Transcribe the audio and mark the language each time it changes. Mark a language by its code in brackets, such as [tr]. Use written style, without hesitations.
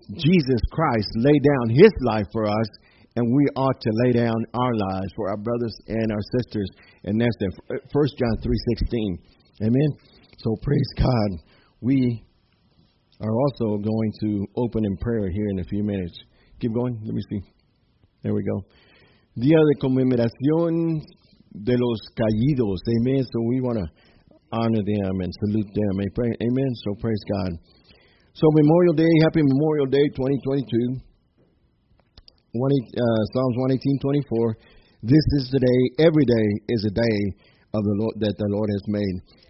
[en] Jesus Christ laid down his life for us, and we ought to lay down our lives for our brothers and our sisters. And that's the 1 John 3:16. Amen. So praise God. We are also going to open in prayer here in a few minutes. Keep going. Let me see. There we go. [es] Día de conmemoración de los caídos. [en] Amen. So we want to honor them and salute them. Amen. So praise God. So Memorial Day, happy Memorial Day 2022. Psalms 118:24. This is the day. Every day is a day of the Lord that the Lord has made.